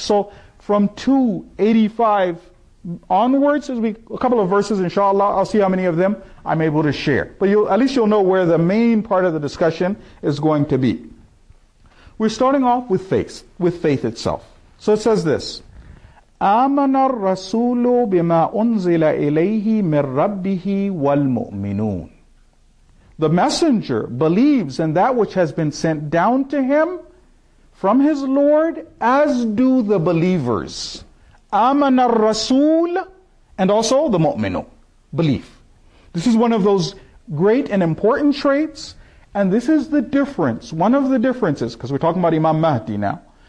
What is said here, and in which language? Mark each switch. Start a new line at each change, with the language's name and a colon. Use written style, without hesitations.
English: So from 285 onwards, as we a couple of verses, inshallah, I'll see how many of them I'm able to share. But at least you'll know where the main part of the discussion is going to be. We're starting off with faith itself. So it says this.
Arabic: آمن الرسول بما أنزل إليه من ربه والمؤمنون.
English: The messenger believes in that which has been sent down to him from his Lord, as do the believers.
Arabic: آمن الرسول,
English: and also the مؤمنون, belief. This is one of those great and important traits, and this is the difference, one of the differences, because we're talking about Imam Mahdi now.